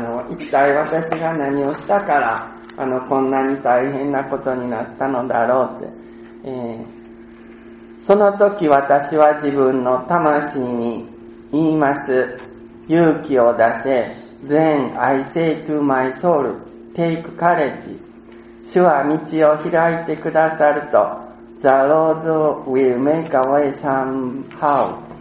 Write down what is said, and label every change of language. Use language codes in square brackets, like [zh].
[ja] 一体私が何をしたから、こんなに大変なことになったのだろうって。その時私は自分の魂に言います。勇気を出せ。 [en] Then I say to my soul, take courage. [ja] 主は道を開いてくださると。 [en] The Lord will make a way somehow.